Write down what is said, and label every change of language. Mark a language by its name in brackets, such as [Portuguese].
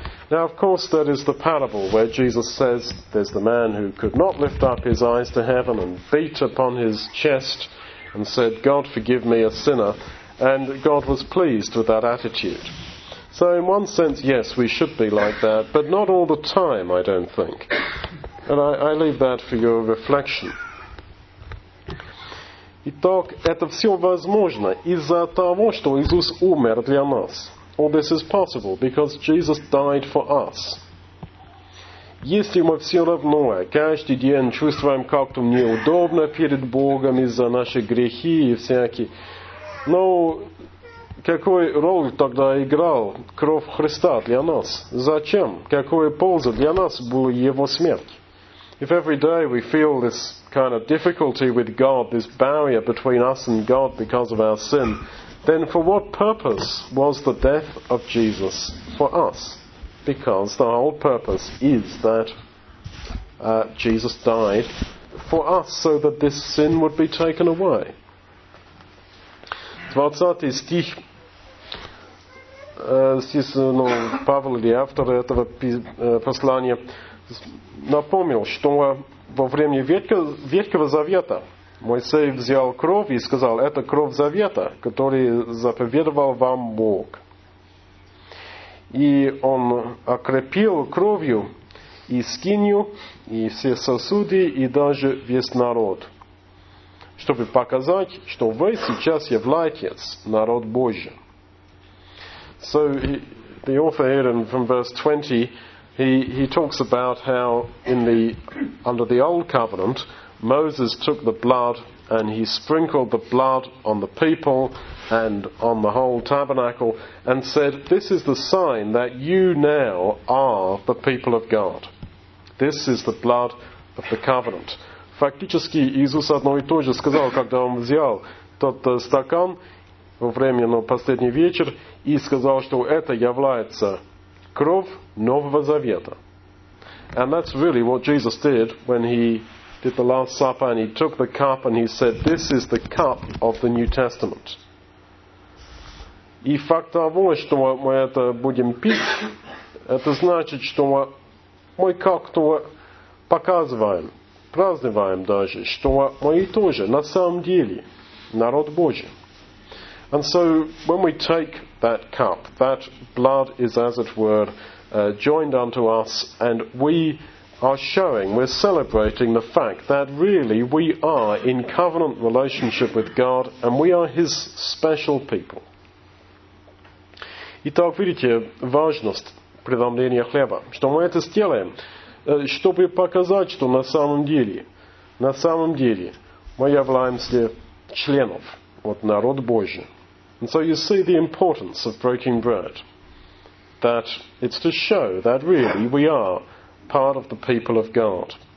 [English] Now, of course, that is the parable where Jesus says there's the man who could not lift up his eyes to heaven and beat upon his chest and said, God, forgive me, a sinner. And God was pleased with that attitude. So in one sense, yes, we should be like that, but not all the time, I don't think. And I leave that for your reflection. [Russian] Итак, это все возможно из-за того, что Иисус умер для нас. [English] All this is possible because Jesus died for us. [Russian] Если мы все равно каждый день чувствуем как-то неудобно перед Богом из-за наших грехи и всякие... Но какой роль тогда играл кровь Христа для нас? Зачем? Какой польза для нас была Его смерть? [English] If every day we feel this kind of difficulty with God, this barrier between us and God because of our sin, then for what purpose was the death of Jesus for us? Because the whole purpose is that Jesus died for us so that this sin would be taken away. [Russian] 20 стих, здесь, ну, Павел или автор этого послания напомнил, что во время Ветхого Завета Моисей взял кровь и сказал, это кровь Завета, который заповедовал вам Бог. И он окропил кровью и скинью, и все сосуды, и даже весь народ, чтобы показать, что вы сейчас являетесь народ Божий. [English] So the author here in, from verse 20, he talks about how in the under the old covenant, Moses took the blood and he sprinkled the blood on the people and on the whole tabernacle and said, this is the sign that you now are the people of God. This is the blood of the covenant. [Russian] Фактически Иисус одно и то же сказал, когда он взял тот стакан во время, ну, последний вечер и сказал, что это является кровь Нового Завета. [English] And that's really what Jesus did when he did the Last Supper and he took the cup and he said, this is the cup of the New Testament. [Russian] И факт того, что мы это будем пить, это значит, что мы как-то показываем, праздновываем даже, что мы тоже на самом деле народ Божий. [English] And so when we take that cup, that blood is, as it were, joined unto us, and we are showing, we're celebrating the fact that really we are in covenant relationship with God, and we are His special people. [Russian] Итак, видите важность преломления хлеба, что мы это сделаем, чтобы показать, что на самом деле мы являемся членов вот народа Божьего. [English] And so you see the importance of breaking bread, that it's to show that really we are part of the people of God.